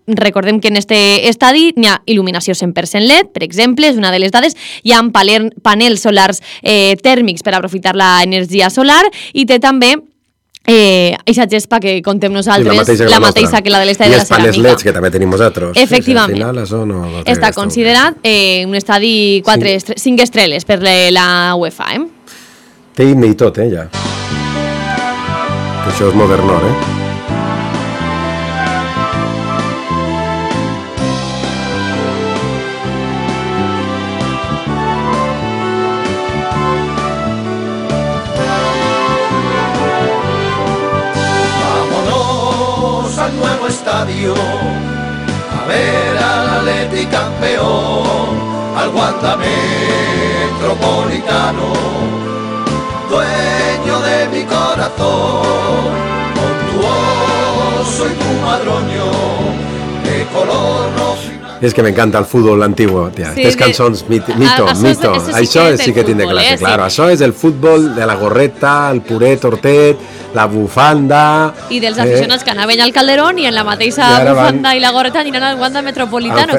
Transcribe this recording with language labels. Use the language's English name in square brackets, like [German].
[Catalan] Recordem que en este estadi n'hi ha il·luminació 100% LED, per exemple, és una de les dades, hi ha panels solars tèrmics per aprofitar l'energia solar i té també aquesta gespa que contem nosaltres, sí, la mateixa que la de l'estadi de la Ceràmica. I els panels LED que també tenim nosaltres. Efectivament. Sí, al final, no està considerat un estadi 5 estrelles per la UEFA. Té i tot, ja. Això és modernor, eh? [Spanish] Vámonos al nuevo estadio a ver al Atleti campeón, al Wanda Metropolitano, dueño de mi corazón, con tu oso y tu madroño de color rojo. [Catalan] És que m'encanta el futbol antiguo, tia. Sí, tres cançons, mito. Això sí que tinc de classe, claro. Això és el futbol de la gorreta, el puret, tortet, la bufanda... I dels aficionats que anaven al Calderón i en la mateixa i bufanda i la gorreta aniran al Wanda Metropolitano.